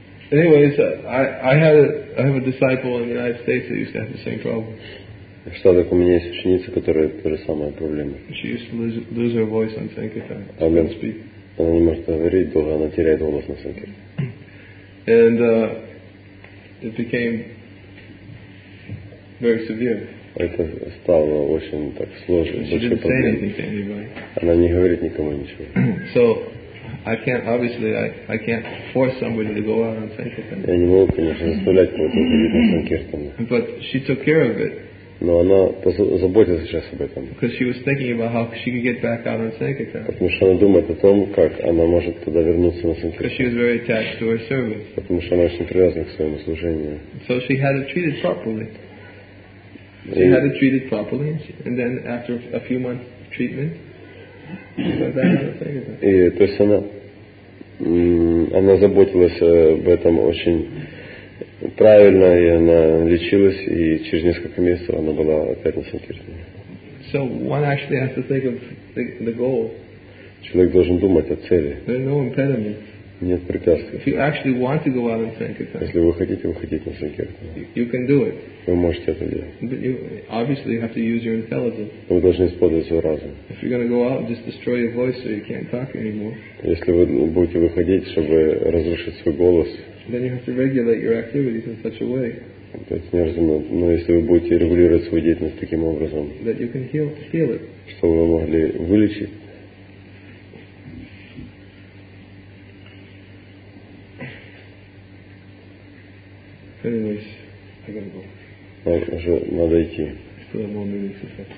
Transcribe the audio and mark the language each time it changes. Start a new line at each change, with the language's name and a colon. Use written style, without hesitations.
English: Anyways, I have a disciple in the United States that used to have the same problem.
Russian: В Штатах у меня есть ученица, которая та же самая проблема.
English: She used to lose her voice on Sankirtan. She couldn't speak.
Russian: Она не может говорить долго, она теряет голос на самом деле.
English: And it became very severe.
Russian: Это стало очень так сложно.
English: She didn't say anything to anybody.
Russian: Она не говорит никому ничего.
English: So I can't, obviously, I can't force somebody to go out on sankirtan.
Russian: Я не могу, конечно, заставлять кого-то ходить на санкиртан.
English: But she took care of it.
Russian: Но она заботится сейчас об этом.
English: Because she was thinking about how she could get back out on sankirtan.
Russian: Потому что она думает о том, как она может туда вернуться на санкиртан.
English: Because she was very attached to her service.
Russian: Потому что она очень привязана к своему служению.
English: So she had it treated properly. She had it treated properly, and then after a few months of treatment.
Russian: И то есть она заботилась об этом очень правильно, и она лечилась, и через несколько месяцев она была опять на санкирте.
English: So one actually has to think of the goal.
Russian: Человек должен думать о цели.
English: There are no impediments.
Russian: Нет препятствий.
English: If you actually want to go out on sankirtan.
Russian: Если вы хотите выходить на санкирте.
English: You can do it.
Russian: Вы можете это делать.
English: But you obviously have to use your intelligence.
Russian: Вы должны использовать свой разум.
English: If you're going to go out and just destroy your voice so you can't talk anymore.
Russian: Если вы будете выходить, чтобы разрушить свой голос.
English: Then you have to regulate your activities in such a way.
Russian: То есть неразумно. Но если вы будете регулировать свою деятельность таким образом.
English: That you can heal it.
Russian: Чтобы вы могли вылечить.
English: Anyways, I gotta go. I still have more minutes if that's